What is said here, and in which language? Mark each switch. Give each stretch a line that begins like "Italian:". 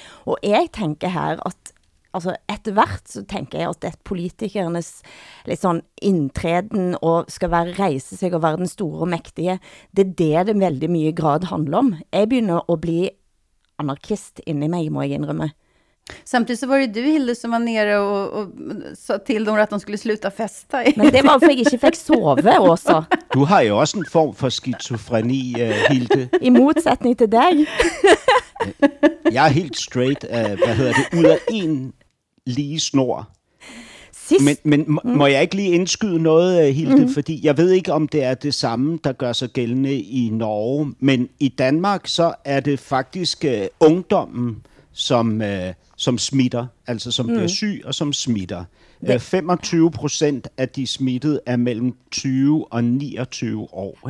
Danish: Og jeg tænker her, at altså,
Norwegian: etter hvert
Danish: så tænker jeg, at det er politikernes liksom, indtræden og skal være rejse sig og være den store og mægtige. Det er det, det
Norwegian: veldig mye grad
Danish: handler om. Jeg begynder at blive anarkist inne i mig, må jeg indrømme.
Swedish: Samtidigt så var det du, Hilde, som var nere och sa till dem att de skulle sluta festa. Men det var för att jag inte fick sova också. Du har ju också en form för schizofreni, Hilde. I motsättning till dig. Jag är helt straight, vad heter det,
Danish: ud af en lige snor. Men må jeg ikke lige indskyde noget, Hilde, fordi jeg ved ikke, om det er det samme, der gør sig gældende i Norge. Men i Danmark, så er det faktisk ungdommen, som smitter, altså som bliver syg og som smitter. 25% af de smittede er mellem 20 og 29 år.